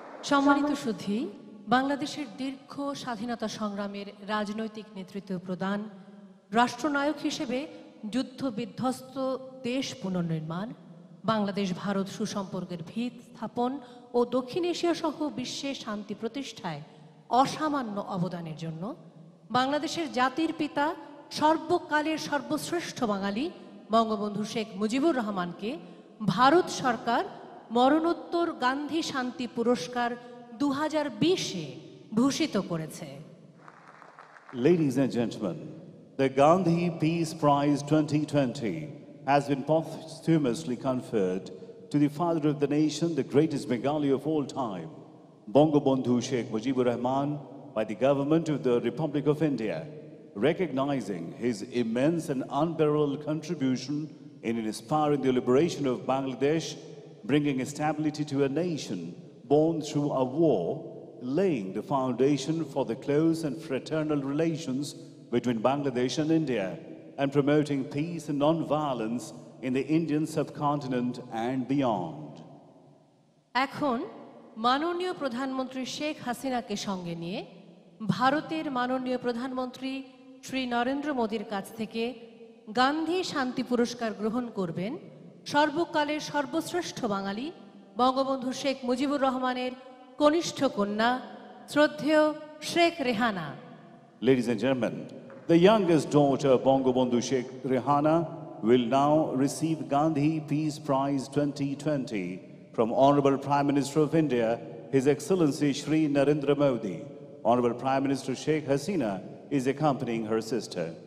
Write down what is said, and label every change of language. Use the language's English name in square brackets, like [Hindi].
[Bangla] সম্মানিত সুধী, বাংলাদেশের দীর্ঘ স্বাধীনতা সংগ্রামের রাজনৈতিক নেতৃত্ব প্রদান, রাষ্ট্রনায়ক হিসেবে যুদ্ধ বিধ্বস্ত দেশ পুনর্নির্মাণ, বাংলাদেশ ভারত সুসম্পর্কের ভিত স্থাপন ও দক্ষিণ এশিয়া সহ বিশ্বে শান্তি প্রতিষ্ঠায় অসামান্য অবদানের জন্য বাংলাদেশের জাতির পিতা, সর্বকালের সর্বশ্রেষ্ঠ বাঙালি বঙ্গবন্ধু শেখ মুজিবুর রহমানকে ভারত সরকার মরণোত্তর গান্ধী শান্তি পুরস্কার 2020-এ ভূষিত করেছে। [English] Ladies and gentlemen, the Gandhi Peace Prize 2020 has been posthumously conferred to the father of the nation, the greatest Bengali of all time, Bangabandhu Sheikh Mujibur Rahman, by the government of the Republic of India, recognizing his immense and unparalleled contribution in inspiring the liberation of Bangladesh, bringing stability to a nation born through a war, laying the foundation for the close and fraternal relations between Bangladesh and India, and promoting peace and non-violence in the Indian subcontinent and beyond. [Bangla] এখন মাননীয় প্রধানমন্ত্রী শেখ হাসিনাকে সঙ্গে নিয়ে ভারতের মাননীয় প্রধানমন্ত্রী শ্রী নরেন্দ্র মোদির কাছ থেকে গান্ধী শান্তি পুরস্কার গ্রহণ করবেন সর্বকালের সর্বশ্রেষ্ঠ বাঙালি বঙ্গবন্ধু শেখ মুজিবুর রহমানের কনিষ্ঠ কন্যা শ্রদ্ধেয় Sheikh Rehana. [English] Ladies and gentlemen, the youngest daughter Bangabandhu Sheikh Rehana will now receive Gandhi Peace Prize 2020 from Honorable Prime Minister of India, His Excellency Shri Narendra Modi. Honorable Prime Minister Sheikh Hasina is accompanying her sister.